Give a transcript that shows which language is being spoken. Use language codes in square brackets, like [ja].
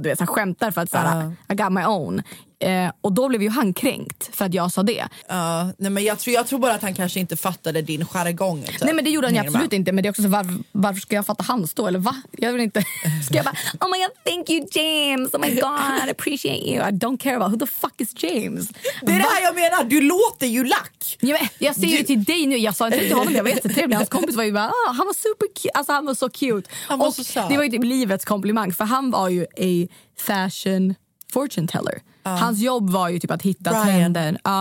[sv] Du vet, så skämtar för att såhär, [en] I got my own. [sv] Och då blev ju han kränkt för att jag sa det. Nej men jag tror bara att han kanske inte fattade din jargong. Nej men det gjorde han absolut inte. Men det är också så, varför ska jag fatta hans då? Eller va? Jag vill inte. Ska jag bara, [en] oh my god, thank you James. Oh my god, I appreciate you. I don't care about who the fuck is James. [sv] Det är det här jag menar, du låter ju lack. Jag säger det till dig nu, jag sa inte till honom. Jag var jättetrevlig, hans kompis var ju bara, han var super cute. Alltså han var så cute. Han var så söt. Det var ju typ livets komplimang. För han var ju [en] a fashion fortune teller. [sv] Hans jobb var ju typ att hitta trender.